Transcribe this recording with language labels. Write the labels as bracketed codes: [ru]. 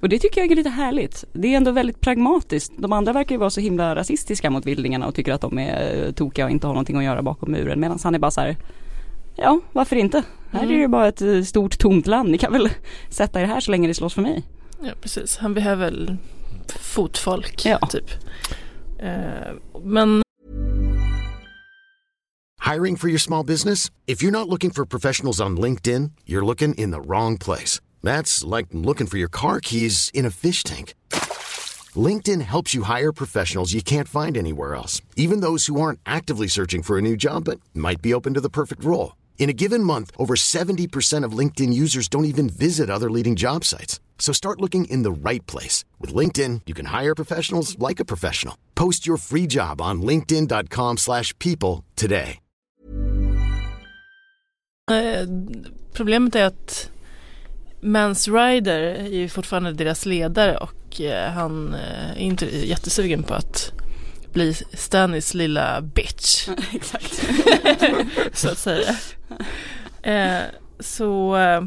[sv] Och det tycker jag är lite härligt. Det är ändå väldigt pragmatiskt. De andra verkar ju vara så himla rasistiska mot vildingarna och tycker att de är tokiga och inte har någonting att göra bakom muren, medan han är bara så här, ja, varför inte? Här är det ju bara ett stort tomt land. Ni kan väl sätta er här så länge det slåss för mig. Ja, precis. Han behöver väl fotfolk, ja, typ. Men [en] hiring for your small business? If you're not looking for professionals on LinkedIn, you're looking in the wrong place. That's like looking for your car keys in a fish tank. LinkedIn helps you hire professionals you can't find anywhere else, even those who aren't actively searching for a new job but might be open to the perfect role. In a given month, over 70% of LinkedIn users don't even visit other leading job sites. So start looking in the right place. With LinkedIn, you can hire professionals like a professional. Post your free job on linkedin.com/people today. [sv] Problemet är att Mance Rider är ju fortfarande deras ledare och han är inte jättesugen på att bli Stannis lilla bitch. Exakt. Så att säga. Så...